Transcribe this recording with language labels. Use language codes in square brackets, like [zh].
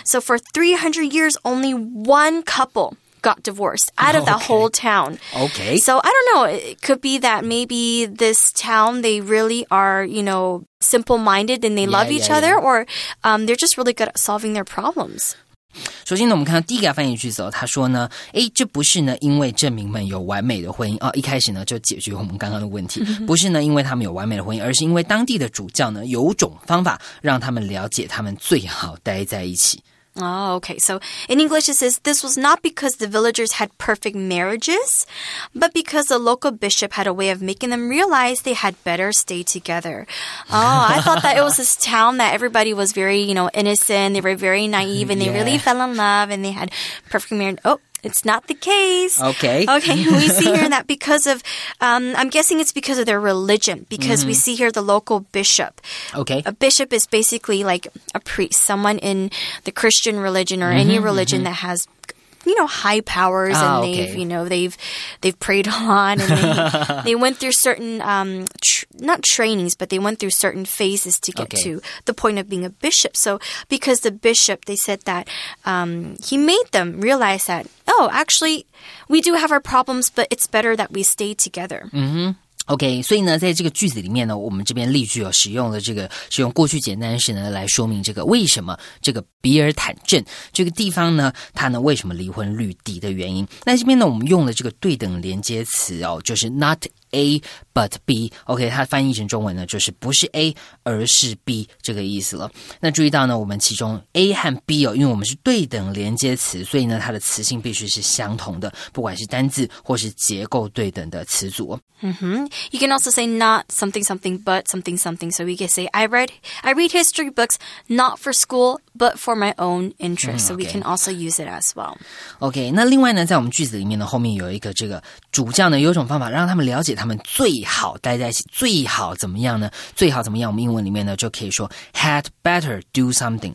[en] So for 300 years, only one couple got divorced out of the whole town. Okay. So I don't know. It could be that maybe this town, they really are, you know, simple-minded and they love each other. Yeah. Or they're just really good at solving their problems. [zh] 首先呢，我们看到第一个翻译句子哦，他说呢，哎，这不是呢，因为证明们有完美的婚姻哦，一开始呢就解决我们刚刚的问题，不是呢，因为他们有完美的婚姻，而是因为当地的主教呢有种方法让他们了解他们最好待在一起。 [en] Oh, okay. So in English, it says this was not because the villagers had perfect marriages, but because the local bishop had a way of making them realize they had better stay together. Oh, I thought that it was this town that everybody was very, you know, innocent. They were very naive and they really fell in love and they had perfect marriage. Oh. It's not the case. Okay. Okay, we see here that because of, I'm guessing it's because of their religion, because we see here the local bishop. Okay. A bishop is basically like a priest, someone in the Christian religion or any religion that has, you know, high powers and they've, you know, they've prayed on and they went through certain, not trainings, but they went through certain phases to get to the point of being a bishop. So because the bishop, they said that he made them realize that, oh, actually, we do have our problems, but it's better that we stay together. [zh] OK, 所以呢在这个句子里面呢我们这边例句哦使用了这个使用过去简单时呢来说明这个为什么这个比尔坦镇这个地方呢它呢为什么离婚率低的原因。那这边呢我们用了这个对等连接词哦就是 [en] not A, but B. [zh] OK, 它翻译成中文呢就是不是 A, 而是 B 这个意思了。那注意到呢我们其中 A 和 B 哦因为我们是对等连接词所以呢它的词性必须是相同的不管是单字或是结构对等的词组。 [en] You can also say not something something but something something. So we can say I read history books not for school but for my own interest. So we can also use it as well. [zh] OK, 那另外呢在我们句子里面呢后面有一个这个主教呢有种方法让他们了解他们最好待在一起最好怎么样呢最好怎么样我们英文里面呢就可以说 [en] had better do something.